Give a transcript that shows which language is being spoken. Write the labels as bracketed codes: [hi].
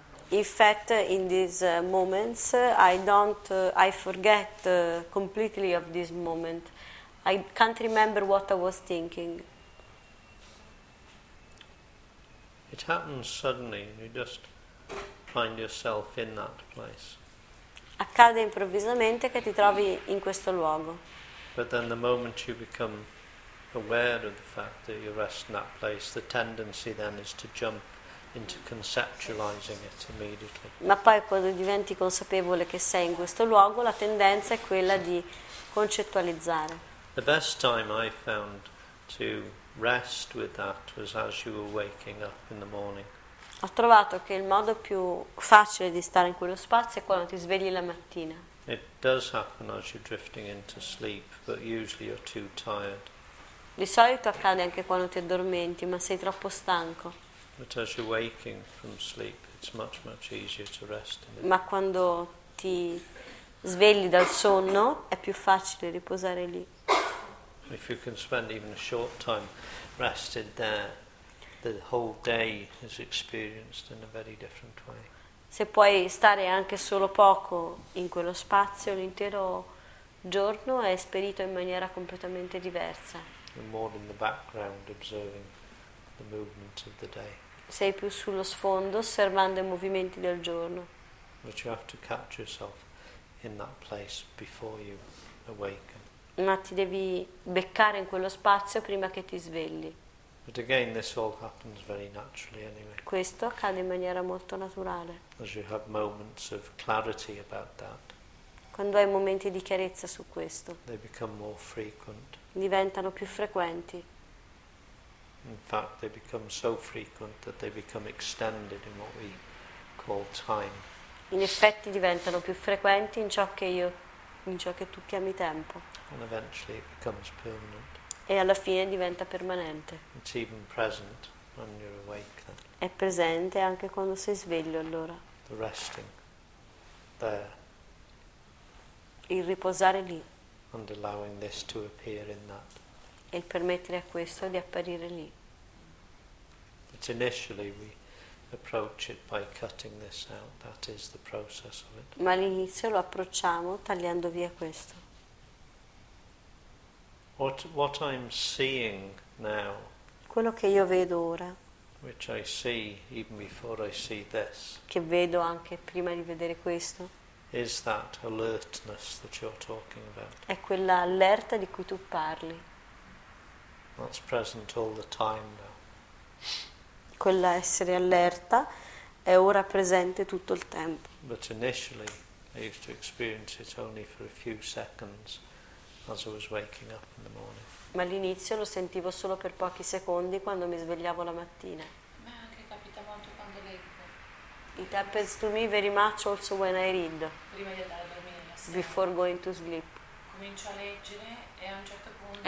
[en] In fact, in these moments, I forget completely of this moment. I can't remember what I was thinking. It happens suddenly, you just find yourself in that place. [it] Accade improvvisamente che ti trovi in questo luogo. [en] But then the moment you become aware of the fact that you rest in that place, the tendency then is to jump into conceptualizing it immediately. [it] Ma poi quando diventi consapevole che sei in questo luogo, la tendenza è quella di concettualizzare. [en] The best time I found to rest with that was as you were waking up in the morning. [it] Ho trovato che il modo più facile di stare in quello spazio è quando ti svegli la mattina. [en] It does happen as you're drifting into sleep, but usually you're too tired. [it] Di solito accade anche quando ti addormenti, ma sei troppo stanco. [en] But as you're waking from sleep, it's much, much easier to rest in it. [it] Ma quando ti svegli dal sonno, è più facile riposare lì. [en] If you can spend even a short time rested there, the whole day is experienced in a very different way. [it] Se puoi stare anche solo poco in quello spazio, l'intero giorno è esperito in maniera completamente diversa. [en] You're more in the background observing the movement of the day. [it] Sei più sullo sfondo osservando i movimenti del giorno. [en] But you have to catch yourself in that place before you awaken. [it] Ma ti devi beccare in quello spazio prima che ti svegli. [en] But again, this all happens very naturally anyway. [it] Questo accade in maniera molto naturale. [en] As you have moments of clarity about that. [it] Quando hai momenti di chiarezza su questo. [en] They become more frequent. [it] Diventano più frequenti. [en] In fact, they become so frequent that they become extended in what we call time. [it] In effetti diventano più frequenti in ciò che io, in ciò che tu chiami tempo. [en] And eventually it becomes permanent. [it] E alla fine diventa permanente. [en] It's even present when you're awake then. [it] È presente anche quando sei sveglio allora. [en] The resting there. [it] Il riposare lì. [en] And allowing this to appear in that. [it] E il permettere a questo di apparire lì. [en] But initially we approach it by cutting this out. That is the process of it. [it] Ma all'inizio lo approcciamo tagliando via questo. [en] What I'm seeing now. [it] Quello che io vedo ora. [en] Which I see even before I see this. [it] Che vedo anche prima di vedere questo. [en] Is that alertness that you're talking about? [it] È quella allerta di cui tu parli. [en] That's present all the time now. [it] Quella essere allerta è ora presente tutto il tempo. [en] But initially I used to experience it only for a few seconds as I was waking up in the morning. [it] Ma all'inizio lo sentivo solo per pochi secondi quando mi svegliavo la mattina. Ma anche capita molto quando leggo. [en] It happens to me very much also when I read. [it] Prima di andare a dormire la sera. [en] Before going to sleep. [it] Comincio a leggere e a un certo punto.